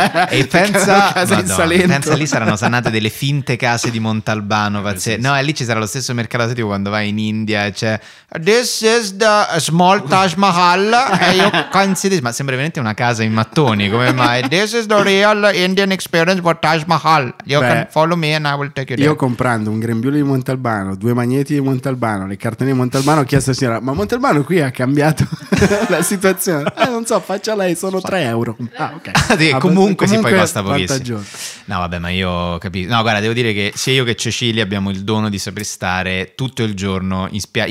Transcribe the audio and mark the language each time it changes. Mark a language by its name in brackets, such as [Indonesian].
[Italian] E pensa, pensa lì saranno sanate delle finte case di Montalbano. No, lì ci sarà lo stesso mercato asiatico quando vai in India, cioè [English] this is the small Taj Mahal. [Italian] E io consider- ma sembra veramente una casa in mattoni, come mai? [English] This is the real Indian experience for Taj Mahal. You can follow me and I will take you there. [Italian] Io comprando un grembiule di Montalbano, due magneti di Montalbano, le cartoline di Montalbano, ho chiesto alla signora, ma Montalbano qui ha cambiato la situazione? Non so, faccia lei, sono 3 euro. Ah, ok. Comunque, comunque sì, poi basta pochissimo. No, vabbè, ma io capisco. No, guarda, devo dire che sia io che Cecilia abbiamo il dono di saper stare tutto il giorno in spiaggia.